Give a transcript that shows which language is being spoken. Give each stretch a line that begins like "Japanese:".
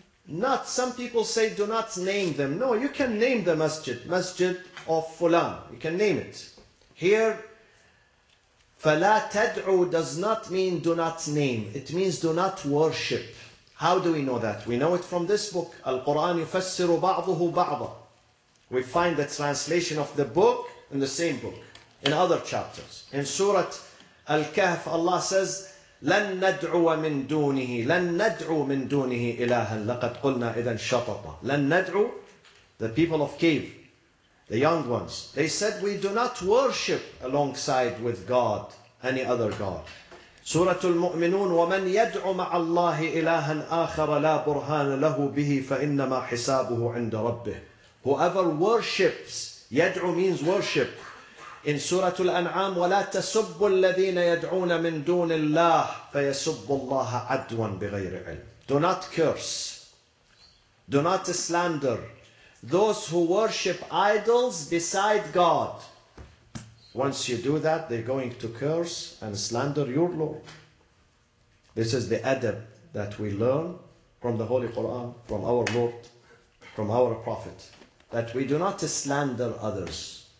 English: Not, some people say do not name them. No, you can name the masjid. Masjid of Fulan. You can name it. Here,
Arabic: فَلَا تَدْعُوا
English: does not mean do not name. It means do not worship. How do we know that? We know it from this book.
Arabic: Al-Quran يفسر بعضه بعضا.
English: We find the translation of the book in the same book, in other chapters. In Surah Al-Kahf, Allah says,
Arabic: لَن نَدْعُوَ مِن دُونِهِ لَن نَدْعُوَ مِن دُونِهِ إِلَهًا لَقَدْ قُلْنَا إِذًا شَطَطًا. لَن نَدْعُوَ,
English: the people of cave, the young ones, they said we do not worship alongside with God any other God.
Arabic: Surah Al-Mu'minun, وَمَن يَدْعُ مَعَ اللَّهِ إِلَهًا آخَرَ لَا بُرْهَانَ لَهُ بِهِ فَإِنَّمَا حِسَابُهُ عِنْدَ رَبِّهِ.
English: Whoever worships, يَدْعُ means worship. In Surah Al-An'am,
Arabic: وَلَا تَسُبُّ الَّذِينَ يَدْعُونَ مِن دُونِ اللَّهِ فَيَسُبُّ اللَّهَ عَدْوًا بِغَيْرِ عِلْمٍ.
English: Do not curse. Do not slander those who worship idols beside God. Once you do that, they're going to curse and slander your Lord. This is the adab that we learn from the Holy Quran, from our Lord, from our Prophet, that we do not slander others.